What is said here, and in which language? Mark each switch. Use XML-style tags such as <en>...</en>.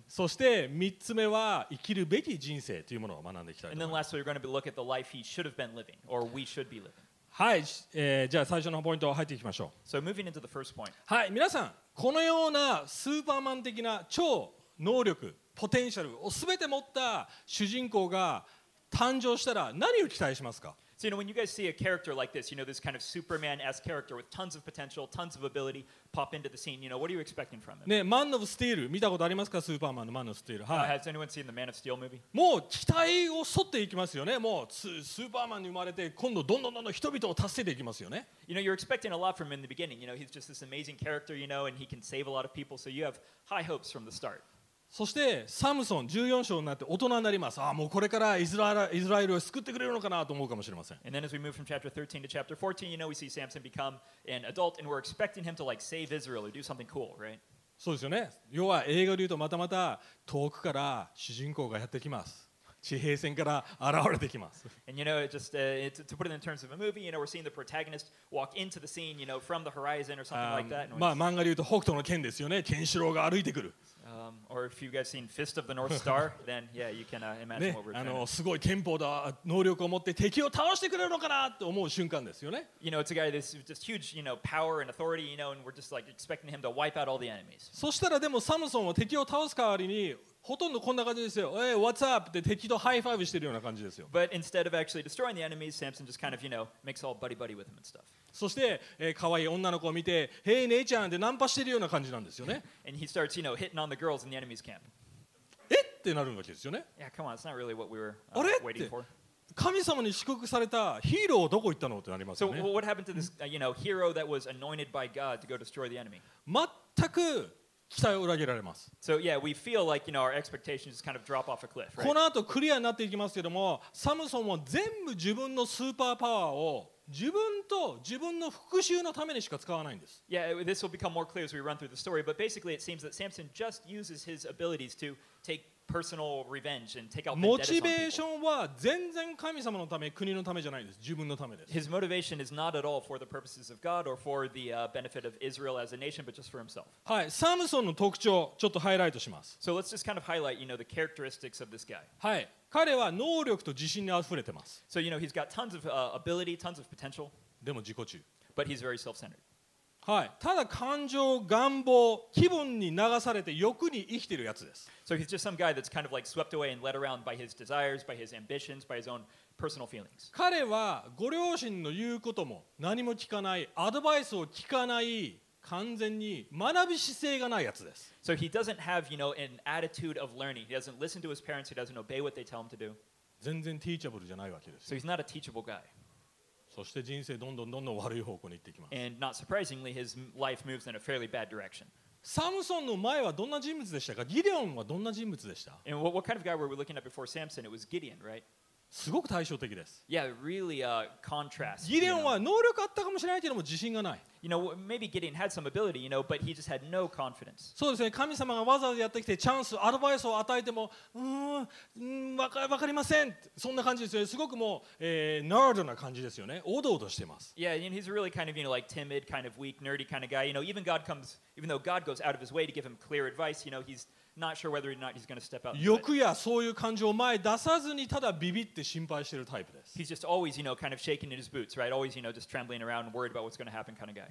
<ja>そして3つ目は、生きるべき人生というものを学んでいきたいと思います。</ja> <en>And then lastly, we're going to look at the life he should have been living, or we should be living.</en> <ja>はい、じゃあ最初のポイントを入っていきましょう。</ja> <en>So moving into the first point.</en> <ja>はい、皆さん、このようなスーパーマン的な超能力、ポテンシャルを全て持った主人公が誕生したら何を期待しますか？</ja> <en>So, you know, when you guys see a character like this, you know, this kind of Superman-esque character with tons of potential, tons of ability pop into the scene, you know, what are you expecting from him?</en> <ja>ね、マン・オブ・スティール、見たことありますか？スーパーマンのマン・オブ・スティール。はい。</ja> <en>Has anyone seen the Man of Steel movie?</en> <ja>もう期待を沿っていきますよね。もうスーパーマンに生まれて、今度どんどん人々を助けていきますよね。</ja> <en>You know, you're expecting a lot from him in the beginning. You know, he's just this amazing character, you know, and he can save a lot of people, so you have high hopes from the start.</en> <ja>そしてサムソン14章になって大人になります。ああ、もうこれからイスラエルを救ってくれるのかなと思うかもしれません。</ja> <en>And then as we move from chapter 13 to chapter 14, you know, we see Samson become an adult and we're expecting him to like save Israel or do something cool, right?</en> <ja>そうですよね。要は映画で言うとまたまた遠くから主人公がやってきます。地平線から現れてきます。</ja> <en>And you know, just to put it in terms of a movie, you know, we're seeing the protagonist walk into the scene, you know, from the horizon or something like that.</en> <ja>まあ漫画で言うと北斗の拳ですよね。ケンシロウが歩いてくる。</ja> <en>Or if you guys seen Fist of the North Star, then yeah, you can imagine what we're doing.</en> <ja>すごい剣法だ、能力を持って敵を倒してくれるのかなと思う瞬間ですよね。</ja> <en>You know, it's a guy that's just huge, you know, power and authority, you know, and we're just like expecting him to wipe out all the enemies.</en> <ja>そしたらでもサムソンは敵を倒す代わりにほとんどこんな感じですよ。</ja> <en>Hey, what's up?</en> <ja>って敵とハイファイブしてるような感じですよ。</ja> <en>But instead of actually destroying the enemies, Samson just kind of, you know, makes all buddy buddy with him and stuff.</en> <ja>そして、可愛い女の子を見て、へい、姉ちゃんってナンパしてるような感じなんですよね。</ja> <en>And he starts, you know, hitting on the girls in the enemy's camp.</en> <ja>え？ってなるわけですよね。</ja> <en>Yeah, come on, it's not really what we were, waiting for.</en> <ja>神様に祝福されたヒーローどこ行ったのってなりますよね。</ja> <en>So what happened to this, you know, hero that was anointed by God to go destroy the enemy?</en> <ja>全く期待を裏切られます。</ja> <en>So yeah, we feel like, you know, our expectations just kind of drop off a cliff, right?</en> <ja>この後クリアになっていきますけども、サムソンは全部自分のスーパーパワーを自分と自分の復讐のためにしか使わないんです。</ja> <en>Yeah, this will become more clear as we run through the story, but basically it seems that Samson just uses his abilities to take personal revenge and take out vendettas on people.</en> <ja>全然神様のため、国のためじゃないです。自分のためです。</ja> <en>His motivation is not at all for the purposes of God or for the benefit of Israel as a nation, but just for himself.</en> <ja>はい、サムソンの特徴、ちょっとハイライトします。</ja> <en>So let's just kind of highlight, you know, the characteristics of this guy.</en> <ja>はい、彼は能力と自信にあふれてます。</ja> <en>So, you know, he's got tons of ability, tons of potential.</en> <ja>でも自己中。</ja> <en>But he's very self-centered.</en> <ja>はい、ただ感情、願望、気分に流されて欲に生きているやつです。</ja> <en>So he's just some guy that's kind of like swept away and led around by his desires, by his ambitions, by his own personal feelings.</en> <ja>彼はご両親の言うことも何も聞かない、アドバイスを聞かない、完全に学び姿勢がないやつです。</ja> <en>So he doesn't have, you know, an attitude of learning. He doesn't listen to his parents. He doesn't obey what they tell him to do.</en> <ja>全然 teachable じゃないわけです。</ja> <en>So he's not a teachable guy.</en> <ja>そして人生どんどんどんどん悪い方向に行っていきます。</ja> <en>And not surprisingly, his life moves in a fairly bad direction.</en> <ja>サムソンの前はどんな人物でしたか？ギデオンはどんな人物でした？</ja> <en>And what kind of guy were we looking at before Samson? It was Gideon, right?</en> <ja>すごく対照的です。</ja> <en>Yeah, really contrast.</en> <ja>ギデオンは能力あったかもしれないけども自信がない。</ja> <en>You know, maybe Gideon had some ability, you know, but he just had no confidence.</en> <ja>そうですね。神様がわざわざやってきてチャンス、アドバイスを与えても、わかりません。そんな感じですよね。すごくもう、nerd な感じですよね。おどおどしてます。</ja> <en>Yeah, and he's really kind of, you know, like timid, kind of weak, nerdy kind of guy. You know, even God comes, even though God goes out of his way to give him clear advice, you know, he's not sure whether or not he's going to step out.</en> <ja>欲やそういう感情を前出さずにただビビって心配してるタイプです。</ja> <en>He's just always, you know, kind of shaking in his boots, right? Always, you know, just trembling around and worried about what's going to happen kind of guy.</en>